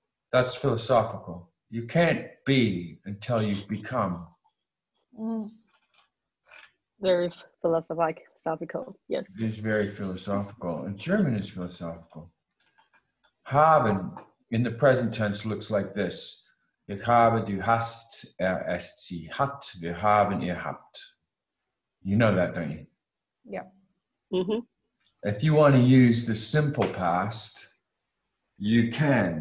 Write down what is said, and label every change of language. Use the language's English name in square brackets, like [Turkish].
[English] That's philosophical. You can't be until you become. Very philosophical, yes. It is very philosophical. And German is philosophical. Haben in the present tense looks like this. [German] Ich habe, du hast, ist, sie hat, wir haben, ihr habt. [English] You know that, don't you? Yeah. If you want to use the simple past, you can.